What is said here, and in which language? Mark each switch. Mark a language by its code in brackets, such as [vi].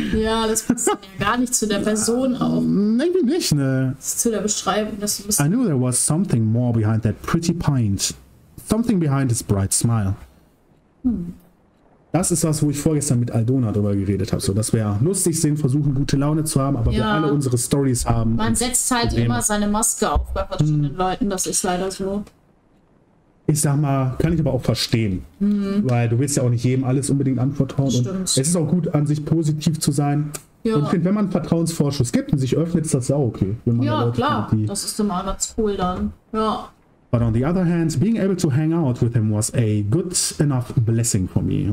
[de] Ja, das passt ja gar nicht zu der Person auf. Irgendwie nicht, ne? Das ist zu der Beschreibung. Dass du [en] I knew there was something more behind that pretty pint. Something behind his bright smile. [de] Das ist das, wo ich vorgestern mit Aldona drüber geredet habe. So, dass wir lustig sind, versuchen gute Laune zu haben, aber ja, wir alle unsere Stories haben. Man setzt halt Probleme. Immer seine Maske auf bei verschiedenen Leuten, das ist leider so. Ich sag mal, kann ich aber auch verstehen. Hm. Weil du willst ja auch nicht jedem alles unbedingt anvertrauen. Und es ist auch gut, an sich positiv zu sein. Ja. Und ich finde, wenn man einen Vertrauensvorschuss gibt und sich öffnet, ist das auch okay. Wenn man ja, Leute klar. Findet, die... Das ist immer ganz cool dann. Ja. [en] But on the other hand, being able to hang out with him was a good enough blessing for me.